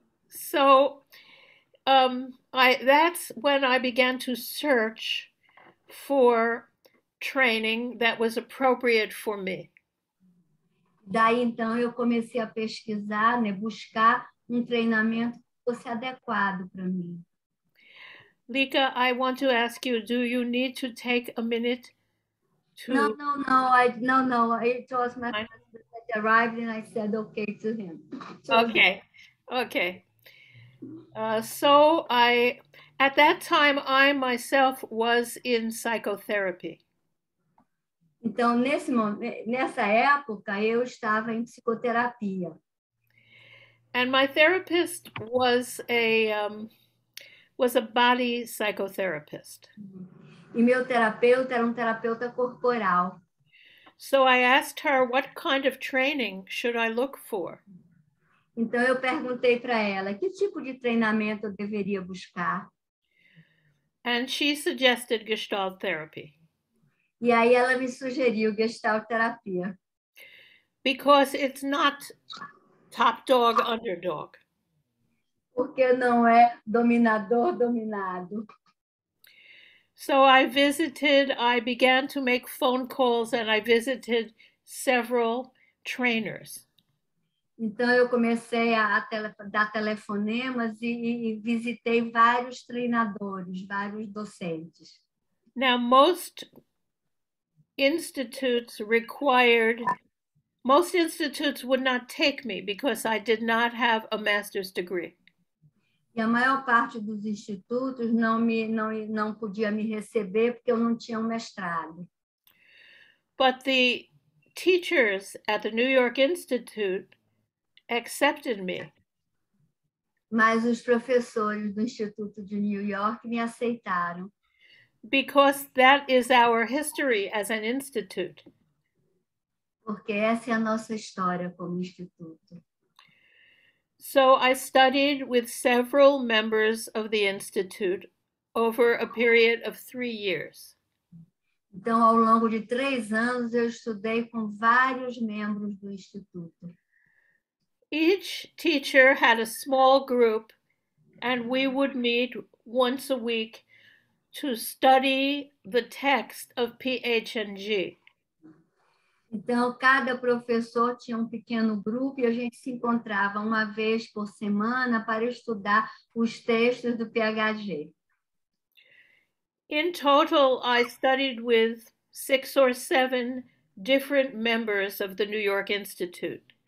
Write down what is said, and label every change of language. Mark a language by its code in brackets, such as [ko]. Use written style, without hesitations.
[en] So, that's when I began to search for training that was appropriate for me. [pt] Daí então eu comecei a pesquisar, né, buscar um treinamento que fosse adequado para mim. [en] Lika, I want to ask you, do you need to take a minute to... No. It was my husband that arrived and I said okay to him. Okay. So I, at that time, I myself was in psychotherapy. [pt] Então, nesse momento, nessa época, eu estava em psicoterapia. [en] And my therapist was a body psychotherapist. [pt] E meu terapeuta era um terapeuta corporal. [en] So I asked her, what kind of training should I look for? [pt] Então eu perguntei para ela, que tipo de treinamento eu deveria buscar? [en] And she suggested Gestalt therapy. [pt] E aí ela me sugeriu Gestalt terapia. [en] Because it's not top dog, underdog. [pt] Porque não é dominador, dominado. [en] So I visited, I began to make phone calls and I visited several trainers. [pt] Então eu comecei a dar telefonemas e visitei vários treinadores, vários docentes. [en] Now most institutes would not take me because I did not have a master's degree. [pt] E a maior parte dos institutos não podia me receber porque eu não tinha um mestrado. [en] But the teachers at the New York Institute accepted me. [pt] Mas os professores do Instituto de New York me aceitaram. [en] Because that is our history as an institute. [pt] Porque essa é a nossa história como instituto. [en] So I studied with several members of the Institute over a period of 3 years. [pt] Então, ao longo de 3 anos, eu estudei com vários membros do Instituto. [en] Each teacher had a small group, and we would meet once a week to study the text of PH&G. [pt] Então, cada professor tinha um pequeno grupo e a gente se encontrava uma vez por semana para estudar os textos do PHG. [en] In total, I studied with 6 or 7 different members of the New York Institute.